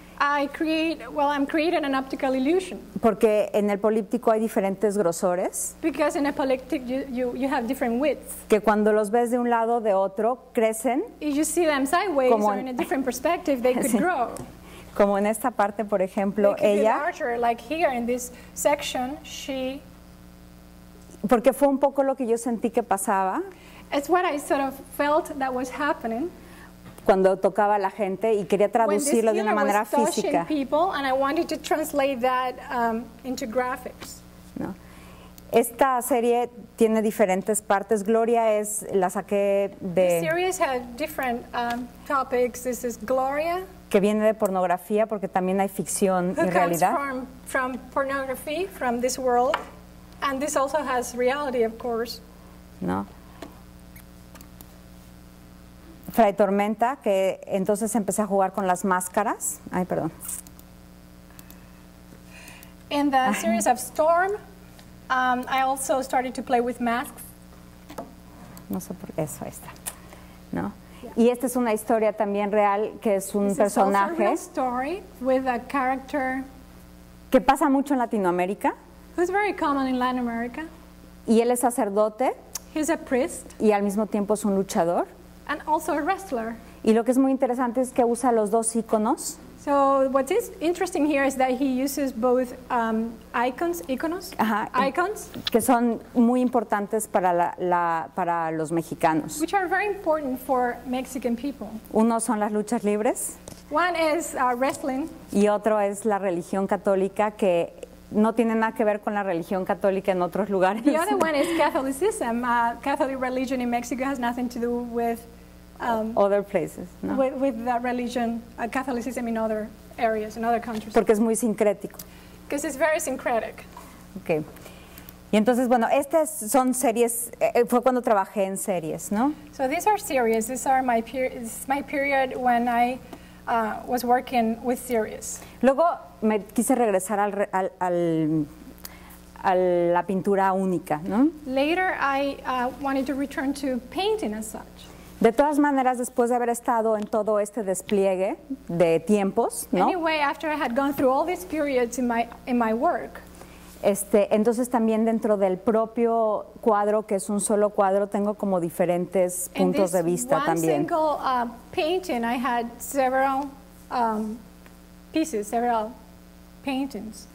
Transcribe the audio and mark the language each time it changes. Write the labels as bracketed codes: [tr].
[en] I'm creating an optical illusion. [es] Porque en el políptico hay diferentes grosores. [en] Because in a polyptych you have different widths. [es] Que cuando los ves de un lado o de otro crecen. [en] If you see them sideways or in a different perspective, they could grow. [es] Como en esta parte, por ejemplo, ella. [en] They could be larger, like here in this section, she. [es] Porque fue un poco lo que yo sentí que pasaba. [en] It's what I sort of felt that was happening. [es] Cuando tocaba a la gente y quería traducirlo de una manera física. [en] When this healer was touching people, and I wanted to translate that into graphics. [es] No. Esta serie tiene diferentes partes. Gloria es la saqué de. [en] The series had different topics. This is Gloria. [es] Que viene de pornografía porque también hay ficción y realidad. [en] Who comes from pornography, from this world, and this also has reality, of course. [es] No. Fray Tormenta, que entonces empecé a jugar con las máscaras. Ay, perdón. [en] In the series of Storm, I also started to play with masks. [es] No sé por qué, eso está. ¿No? Yeah. Y esta es una historia también real, que es un [en] This [es] personaje. [en] Is also a real story with a character. [es] ¿Qué pasa mucho en Latinoamérica? [en] Who's very common in Latin America. [es] Y él es sacerdote. [en] He's a priest. [es] Y al mismo tiempo es un luchador. [en] And also a wrestler. [es] Y lo que es muy interesante es que usa los dos iconos. [en] So what is interesting here is that he uses both iconos, icons, [es] que son muy importantes para para los mexicanos. [en] Which are very important for Mexican people. [es] Uno son las luchas libres. [en] One is wrestling. [es] Y otro es la religión católica, que no tiene nada que ver con la religión católica en otros lugares. [en] The other one is Catholicism. Catholic religion in Mexico has nothing to do with other places, no. With that religion, Catholicism in other areas, in other countries. [es] Porque es muy sincrético. [en] Because it's very syncretic. Okay. [es] Y entonces, bueno, estas son series, fue cuando trabajé en series, ¿no? [en] So these are series. These are my period when I was working with series. [es] Luego me quise regresar al la pintura única, ¿no? [en] Later I wanted to return to painting as such. [es] De todas maneras, después de haber estado en todo este despliegue de tiempos, ¿no? [en] Anyway, after I had gone through all these periods in my work, [es] entonces también dentro del propio cuadro, que es un solo cuadro, tengo como diferentes puntos de vista también. [en] In this one single painting, I had several pieces, several paintings.